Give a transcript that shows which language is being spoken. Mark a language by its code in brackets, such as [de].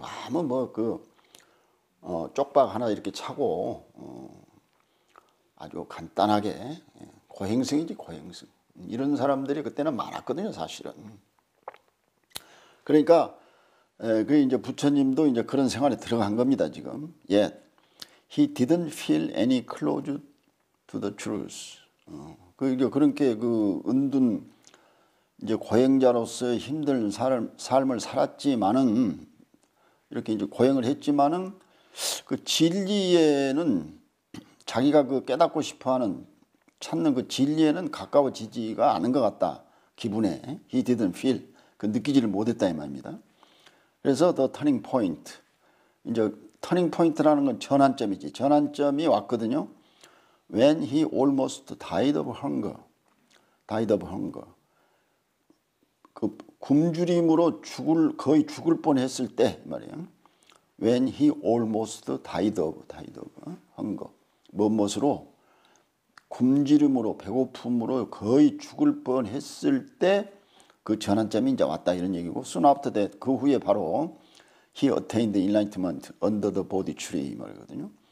[ko] 아무 뭐 그 쪽박 하나 이렇게 차고 아주 간단하게 고행성이지 고행성. 이런 사람들이 그때는 많았거든요, 사실은. 그러니까 그 이제 부처님도 이제 그런 생활에 들어간 겁니다, 지금. [en] Yet he didn't feel any close to the truth. [ko] 그 이제 그렇게 그 은둔 이제 고행자로서 힘든 삶을 살았지만은 이렇게 이제 고행을 했지만은 그 진리에는 자기가 그 깨닫고 싶어하는 찾는 그 진리에는 가까워지지가 않은 것 같다. 기분에 [en] he didn't feel [ko] 그 느끼지를 못했다 이 말입니다. 그래서 [en] the turning point [ko] 이제 turning point라는 건 전환점이지. 전환점이 왔거든요. [en] When he almost died of hunger, died of hunger. [ko] 그 굶주림으로 거의 죽을 뻔했을 때 말이에요. [en] When he almost died of hunger. [ko] 무엇으로? 굶주림으로, 배고픔으로 거의 죽을 뻔했을 때 그 전환점이 이제 왔다 이런 얘기고 [en] soon after that, [ko] 그 후에 바로 [en] he attained enlightenment under the Bodhi tree [ko] 말이거든요.